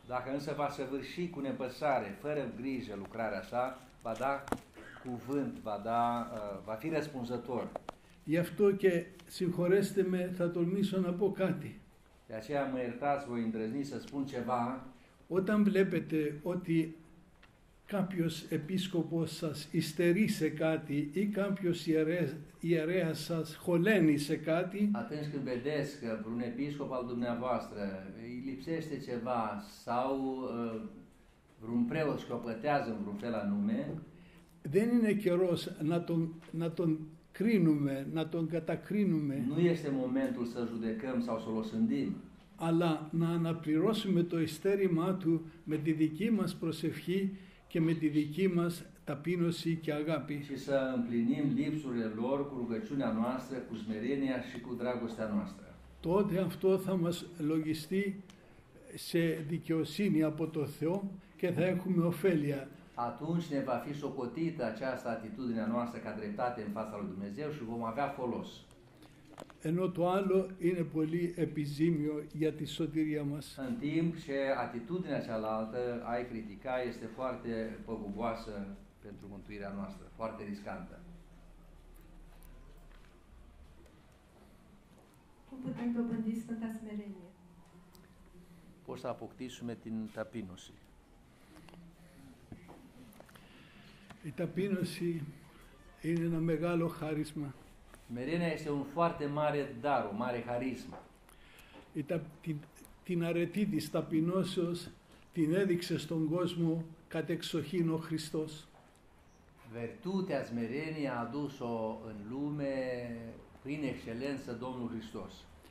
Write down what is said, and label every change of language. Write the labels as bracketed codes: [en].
[ro] Dacă însă va săvârși cu nepăsare, fără grijă lucrarea sa, va da cuvânt, va fi răspunzător. [el] Γι' αυτό και συγχωρέστε με, θα τολμήσω να πω κάτι. [ro] De aceea mă iertați, voi îndrăzni să spun ceva. [el] Όταν βλέπετε ότι κάποιος επίσκοπος σας υστερεί σε κάτι ή κάποιος ιερέας σας χωλαίνει σε κάτι, [ro] atunci când vedeți că un episcop al dumneavoastră îi lipsește ceva sau vreun preot scopătează în vreun fel anume, [el] δεν είναι καιρός να τον κρίνουμε, να τον κατακρίνουμε. [ro] Nu este momentul să judecăm sau să-l osândim. [el] Αλλά να αναπληρώσουμε το ειστέρημά του με τη δική μας προσευχή και με τη δική μας ταπείνωση και αγάπη. [ro] Și să împlinim lipsurile lor cu rugăciunea noastră, cu smerenia și cu dragostea noastră. [el] Τότε αυτό θα μας λογιστεί σε δικαιοσύνη από το Θεό και θα έχουμε ωφέλεια. [ro] Atunci ne va fi socotită această atitudine a noastră ca dreptate în fața lui Dumnezeu și vom avea folos. [el] Ενώ το άλλο είναι πολύ επιζήμιο για τη σωτηρία μας. [ro] În timp ce atitudinea cealaltă a critica este foarte păguboasă pentru mântuirea noastră, foarte riscantă. Cum putem dobândi Sfânta Smerenie? Poți să apoctisume την ταπείνωση. [el] Η ταπείνωση είναι ένα μεγάλο χάρισμα. [ro] Smerenia este un foarte mare dar, mare harisma. [el] Την αρετή της ταπεινώσεως την έδειξε στον κόσμο κατ' εξοχήν ο Χριστός. [ro] Virtutea smerenia a dus-o în lume prin excelență Domnul Hristos.